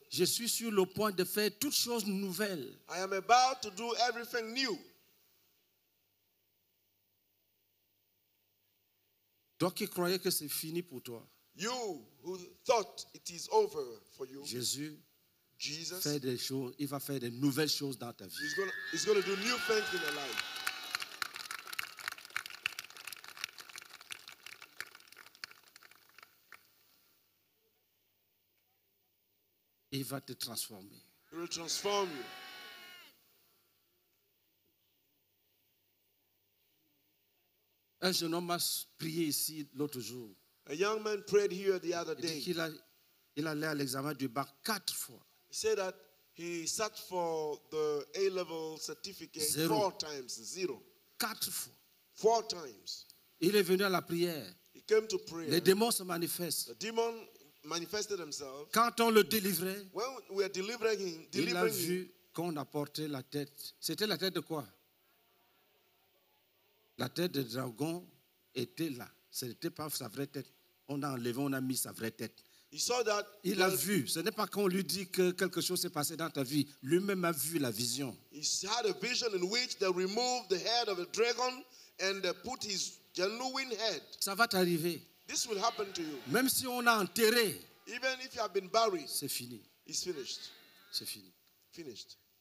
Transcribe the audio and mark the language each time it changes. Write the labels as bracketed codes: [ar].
[fr] je suis sur le point de faire toutes choses nouvelles. [en] I am about to do everything new. [fr] Toi qui croyais que c'est fini pour toi, [en] you who thought it is over for you, [fr] Jésus, [en] Jesus, [fr] fait des choses, il va faire de nouvelles choses dans ta vie. [en] He's gonna do new things in your life. [fr] Il va te transformer. [en] He will transform you. [fr] Un jeune homme a prié ici l'autre jour. [en] A young man prayed here the other day. [fr] Il allait à l'examen du bac 4 fois. [en] He said that he sat for the A-level certificate 4 times, 0. [fr] 4 fois. [en] 4 times. [fr] Il est venu à la prière. [en] He came to prayer. [fr] Les démons se manifestent. [en] The demon manifested himself. [fr] Quand on le délivrait, [en] when we are delivering him, [fr] il a vu qu'on apportait la tête. C'était la tête de quoi? La tête de dragon était là. Ce n'était pas sa vraie tête. On a enlevé, on a mis sa vraie tête. [en] He saw that [fr] il a vu. Ce n'est pas qu'on lui dit que quelque chose s'est passé dans ta vie. Lui-même a vu la vision. [en] He had a vision in which they removed the head of a dragon and put his genuine head. [fr] Ça va t'arriver. [en] This will happen to you. [fr] Même si on a enterré. [en] Even if you have been buried. [fr] C'est fini. [en] It's finished. [fr] C'est fini. [en] Finished.